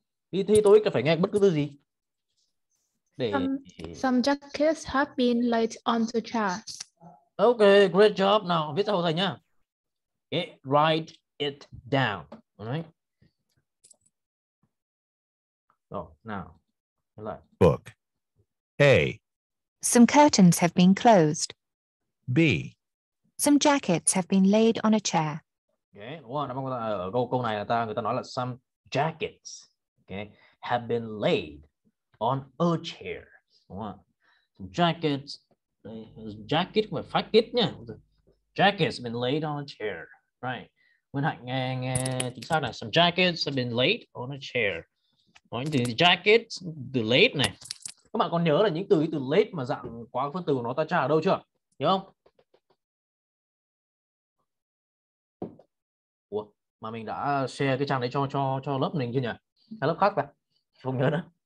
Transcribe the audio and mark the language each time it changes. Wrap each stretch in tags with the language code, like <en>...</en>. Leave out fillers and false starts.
<vi>Đi thi TOEIC phải nghe bất cứ thứ gì.</vi> <en>Some jackets have been laid on the chair. Ok, great job.</en> <vi>Nào, viết ra hộ thầy nhá.</vi> <en>Okay, write it down. Alright.</en> <vi>Rồi, nào. Lại.</vi> <en>Book. A. Some curtains have been closed. B. Some jackets have been laid on a chair.</en> <vi>Okay, đúng không? Ở câu này người ta nói là</vi> <en>some jackets,</en> <vi>okay,</vi> <en>have been laid on a chair.</en> <vi>Đúng không?</vi> <en>Some jackets.</en> <vi>Jacket và facket nha.</vi> <en>Jackets been laid on a chair, right?</en> <vi>Nguyên Hạnh nghe chính xác này.</vi> <en>Some jackets have been laid on a chair.</en> <vi>Nói từ jackets, từ laid này. Các bạn còn nhớ là những từ laid mà dạng quá khứ từ của nó ta tra ở đâu chưa? Nhớ không? Ủa, mà mình đã share cái trang đấy cho lớp mình chưa nhỉ? Hay lớp khác vậy? Không nhớ nữa.</vi>